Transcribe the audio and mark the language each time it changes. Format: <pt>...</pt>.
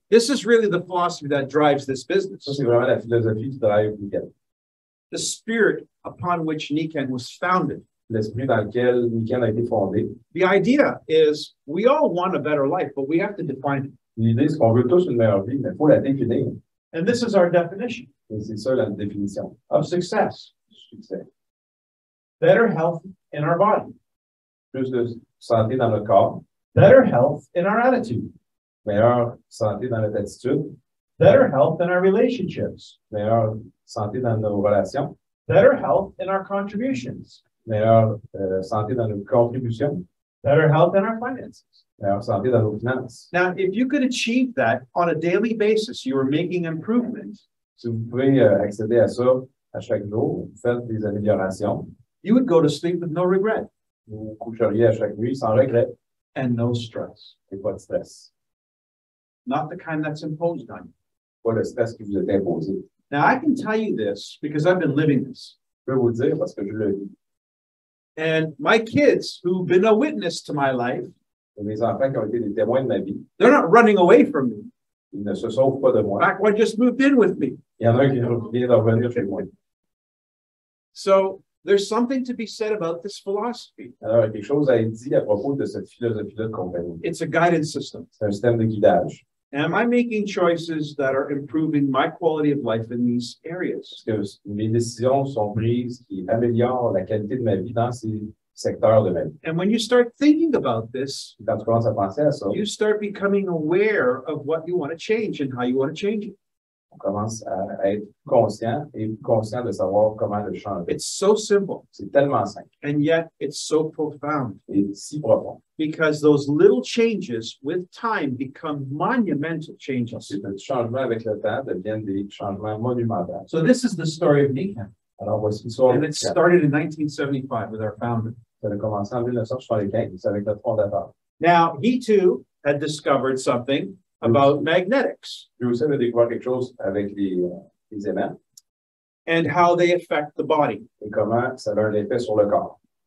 <en>This is really the philosophy that drives this business.</en> <fr>Ça, c'est vraiment la philosophie qui drive Nikan.</fr> <en>The spirit upon which Nikan was founded.</en> <fr>L'esprit dans lequel Nikan a été fondé.</fr> <en>The idea is we all want a better life, but we have to define it.</en> <fr>L'idée, c'est qu'on veut tous une meilleure vie, mais il faut la définir.</fr> <en>And this is our definition.</en> <fr>Et c'est ça la définition.</fr> <en>Of success.</en> <fr>Succès.</fr> <en>Better health in our body.</en> <fr>Plus de santé dans notre corps.</fr> <en>Better health in our attitude.</en> <fr>Meilleure santé dans notre attitude.</fr> <en>Better health in our relationships.</en> <fr>Meilleure santé dans nos relations.</fr> <en>Better health in our contributions.</en> <fr>Meilleure santé dans nos contributions.</fr> <en>Better health in our finances.</en> <fr>Meilleure santé dans nos finances.</fr> <en>Now, if you could achieve that on a daily basis, you are making improvements.</en> <fr>Si vous pouvez accéder à ça à chaque jour, vous faites des améliorations.</fr> <en>You would go to sleep with no regret.</en> <fr>Vous coucheriez à chaque nuit sans regret.</fr> <en>And no stress.</en> <fr>Et pas de stress.</fr> <en>Not the kind that's imposed on you.</en> <fr>Pas le stress qui vous est imposé.</fr> <en>Now, I can tell you this because I've been living this.</en> <fr>Je peux vous le dire parce que je le vis.</fr> <en>And my kids, who've been a witness to my life,</en> <fr>et mes enfants qui ont été des témoins de ma vie,</fr> <en>they're not running away from me.</en> <fr>Ils ne se sauvent pas de moi.</fr> <en>In fact, one just moved in with me.</en> <fr>Il y en a un qui vient de revenir chez moi.</fr> <en>So, there's something to be said about this philosophy.</en> <fr>Alors, il y a quelque chose à être dit à propos de cette philosophie-là de compagnie.</fr> <en>It's a guidance system.</en> <fr>C'est un système de guidage.</fr> <en>Am I making choices that are improving my quality of life in these areas?</en> <fr>Parce que mes décisions sont prises qui améliorent la qualité de ma vie dans ces secteurs de ma vie.</fr> <en>And when you start thinking about this,</en> <fr>quand tu commences à penser à ça,</fr> <en>you start becoming aware of what you want to change and how you want to change it.</en> <fr>On commence à être conscient et conscient de savoir comment le changer.</fr> <en>It's so simple.</en> <fr>C'est tellement simple.</fr> <en>And yet, it's so profound.</en> <fr>Et si profond.</fr> <en>Because those little changes with time become monumental changes.</en> <fr>Ensuite, les changements avec le temps deviennent des changements monumentaux.</fr> <en>So this is the story of Nikan.</en> <fr>Alors, voici l'histoire.</fr> <en>And it started in 1975 with our founder.</en> <fr>Ça a commencé en 1975 avec notre fondateur.</fr> <en>Now, he too had discovered something about magnetics.</en> <fr>Vous savez découvrir quelque chose avec les aimants.</fr> <en>And how they affect the body.</en> <fr>Et comment ça a un effet sur le corps.</fr>